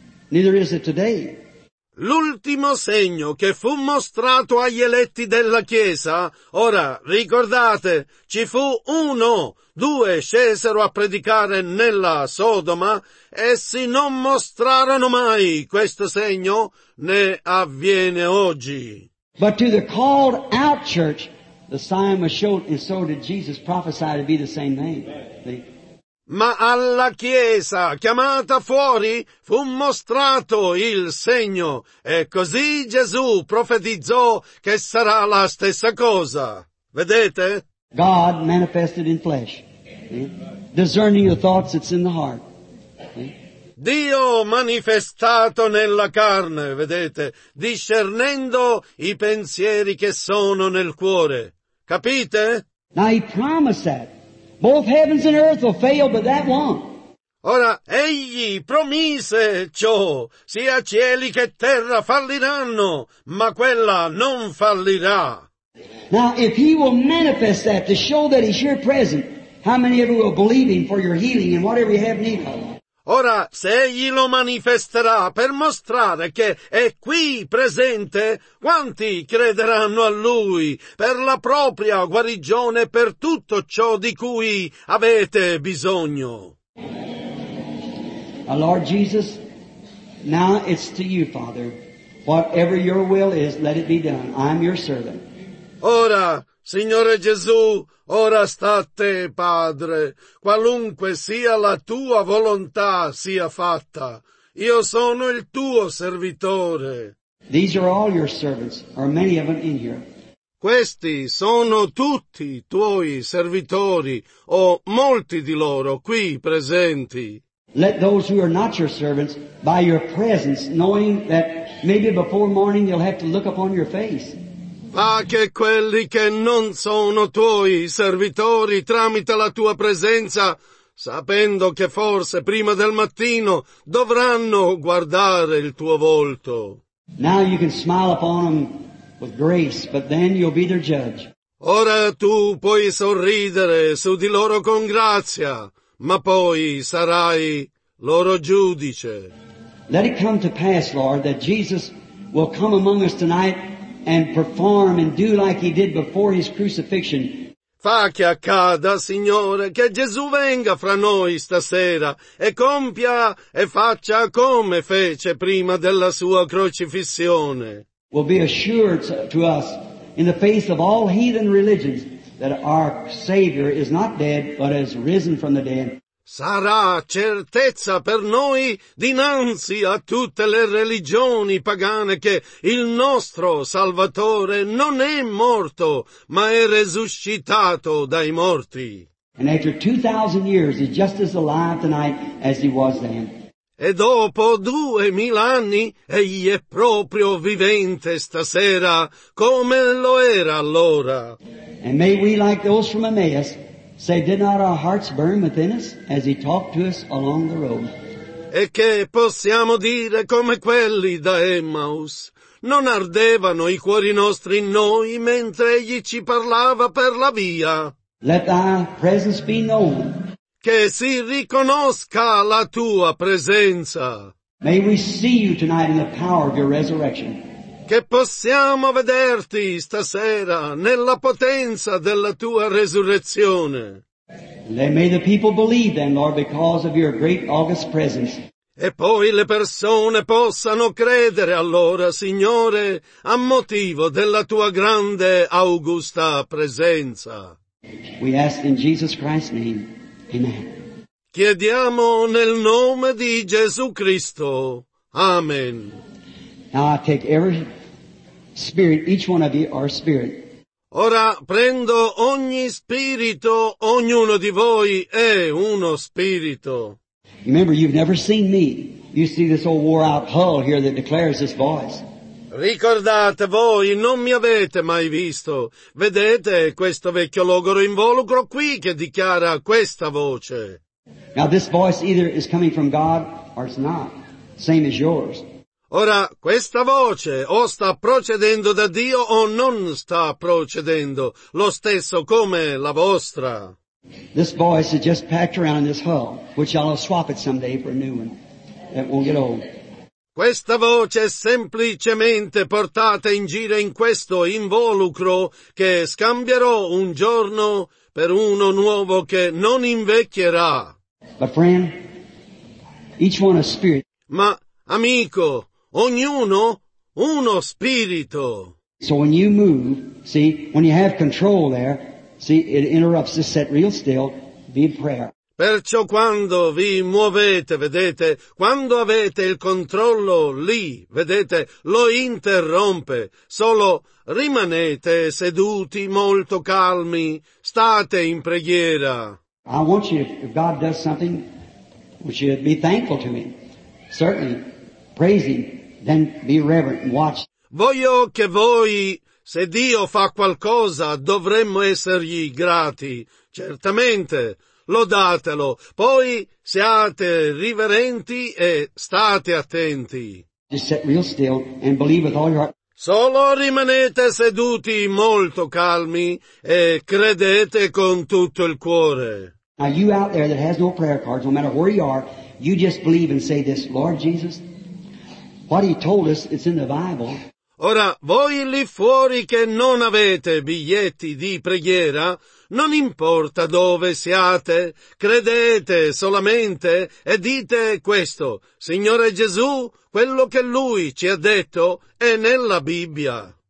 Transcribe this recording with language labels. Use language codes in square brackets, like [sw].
[en] Neither is it today. [it] L'ultimo segno che fu mostrato agli eletti della Chiesa, ora ricordate, ci fu uno, due scesero a predicare nella Sodoma, essi non mostrarono mai questo segno, né avviene oggi. [en] But to the called out church, the sign was shown, and so did Jesus prophesy to be the same name. [it] Ma alla Chiesa, chiamata fuori, fu mostrato il segno, e così Gesù profetizzò che sarà la stessa cosa. Vedete? [en] God manifested in flesh, discerning the thoughts that's in the heart. [it] Dio manifestato nella carne, vedete, discernendo i pensieri che sono nel cuore. Capite? [en] Now he promised that. Both heavens and earth will fail, but that won't. [it] Ora, egli promise ciò, sia cieli che terra falliranno, ma quella non fallirà. [en] Now, if he will manifest that to show that he's here present, how many of you will believe him for your healing and whatever you have need of? [it] Ora, se egli lo manifesterà per mostrare che è qui presente, quanti crederanno a lui per la propria guarigione, per tutto ciò di cui avete bisogno? [en] Lord Jesus, now it's to you, Father. Whatever your will is, let it be done. I'm your servant. [it] Ora, Signore Gesù, ora sta a te, Padre. Qualunque sia la tua volontà, sia fatta. Io sono il tuo servitore. [en] These are all your servants, or many of them in here. [it] Questi sono tutti i tuoi servitori, o molti di loro qui presenti. [en] Let those who are not your servants, by your presence, knowing that maybe before morning you'll have to look upon your face. [it] Fa che quelli che non sono tuoi servitori, tramite la tua presenza, sapendo che forse prima del mattino dovranno guardare il tuo volto. [en] Now you can smile upon them with grace, but then you'll be their judge. [it] Ora tu puoi sorridere su di loro con grazia, ma poi sarai loro giudice. [en] Let it come to pass, Lord, that Jesus will come among us tonight and perform and do like he did before his crucifixion. [it] Fa che accada, Signore, che Gesù venga fra noi stasera e compia e faccia come fece prima della sua crocifissione. [en] Will be assured to us in the face of all heathen religions that our Savior is not dead but has risen from the dead. [it] Sarà certezza per noi dinanzi a tutte le religioni pagane che il nostro Salvatore non è morto, ma è resuscitato dai morti. [en] And after 2,000 years, he's just as alive tonight as he was then. [it] E dopo 2,000 anni, egli è proprio vivente stasera, come lo era allora. [en] And may we, like those from Emmaus, say, did not our hearts burn within us as he talked to us along the road? [it] E che possiamo dire come quelli da Emmaus? Non ardevano i cuori nostri in noi mentre egli ci parlava per la via? [en] Let thy presence be known. [it] Che si riconosca la tua presenza. [en] May we see you tonight in the power of your resurrection. [it] Che possiamo vederti stasera nella potenza della tua resurrezione. [en] May the people believe then, Lord, because of your great august presence. [it] E poi le persone possano credere allora, Signore, a motivo della tua grande augusta presenza. [en] We ask in Jesus Christ's name. Amen. [it] Chiediamo nel nome di Gesù Cristo. Amen. [en] Now I take every spirit, each one of you are spirit. [it] Ora prendo ogni spirito, ognuno di voi è uno spirito. [en] Remember, you've never seen me. You see this old wore-out hull here that declares this voice. [it] Ricordate, voi non mi avete mai visto. Vedete questo vecchio logoro involucro qui che dichiara questa voce. [en] Now this voice either is coming from God or it's not. Same as yours. [it] Ora, questa voce o sta procedendo da Dio o non sta procedendo, lo stesso come la vostra. [en] This voice is just packed around in this hull, which I'll swap it someday for a new one that won't get old. [it] Questa voce è semplicemente portata in giro in questo involucro che scambierò un giorno per uno nuovo che non invecchierà. [en] But friend, each one a spirit. [it] Ma, amico, ognuno uno spirito. [en] So when you move, see, when you have control there, see, it interrupts the set real still, be in prayer. [it] Perciò quando vi muovete, vedete, quando avete il controllo lì, vedete, lo interrompe. Solo rimanete seduti, molto calmi, state in preghiera. [en] I want you, if God does something, would you be thankful to me? Certainly, praise him. Then be reverent and watch. [it] Voglio che voi, se Dio fa qualcosa, dovremmo essergli grati. Certamente, lodatelo. Poi siate riverenti e state attenti. [en] Just sit real still and believe with all your heart. [it] Solo rimanete seduti molto calmi e credete con tutto il cuore. [en] Now you out there that has no prayer cards, no matter where you are, You just believe and say this, Lord Jesus, what he told us, it's in the Bible. [it] Ora, voi lì fuori che non avete biglietti di preghiera, non importa dove siate, credete solamente e dite questo, Signore Gesù, quello che Lui ci ha detto è nella Bibbia.